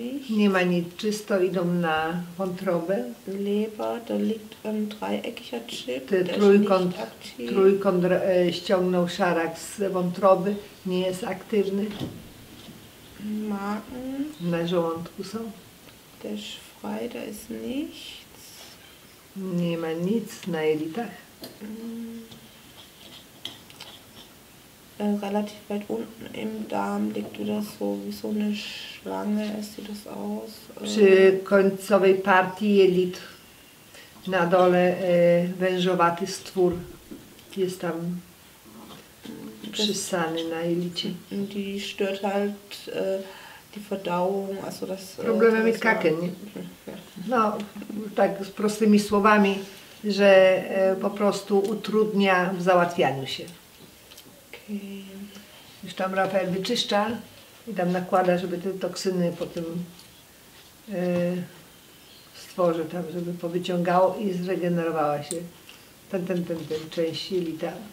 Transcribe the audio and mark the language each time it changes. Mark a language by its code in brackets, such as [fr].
[pl] Nie ma nic, czysto idą na wątrobę. [de] Leber, da liegt ein dreieckiger Chip. [pl] Trójkąt ściągnął szarak z wątroby, nie jest aktywny. [de] Magen. [pl] Na żołądku są. [de] Też frei, da ist nichts. [pl] Nie ma nic na jelitach. [de] Relativ weit unten im Darm liegt wieder so wie so eine Schlange, sieht das aus? [pl] Przy końcowej partii jelit na dole wężowaty stwór jest tam przysany na jelicie. [de] Die stört halt die Verdauung, also das... Problemy mit Kaken. [pl] No, tak z prostymi słowami, że po prostu utrudnia w załatwianiu się. Już tam Rafael wyczyszcza i tam nakłada, żeby te toksyny po tym stworze tam, żeby powyciągało i zregenerowała się ten część jelita.